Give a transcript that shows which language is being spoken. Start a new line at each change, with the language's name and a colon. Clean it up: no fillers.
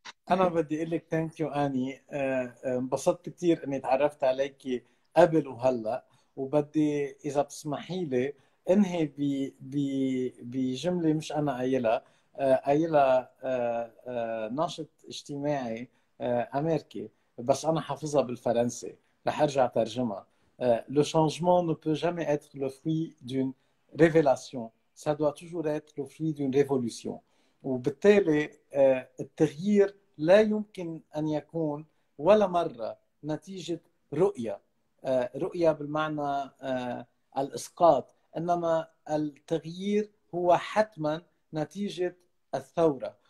Arabic: أنا بدي أقول لك ثانك يو أني، انبسطت كثير إني تعرفت عليك قبل وهلا، وبدي إذا بتسمحي لي أنهي بجملة مش أنا قايلها، قايلها ناشط اجتماعي أمريكي بس أنا حافظها بالفرنسي، رح أرجع ترجمها.
French: Le changement ne peut jamais être le fruit d'une révélation, ça doit toujours être le fruit d'une révolution.
Arabic: وبالتالي التغيير لا يمكن أن يكون ولا مرة نتيجة رؤية، رؤية بالمعنى الإسقاط، إنما التغيير هو حتما نتيجة الثورة.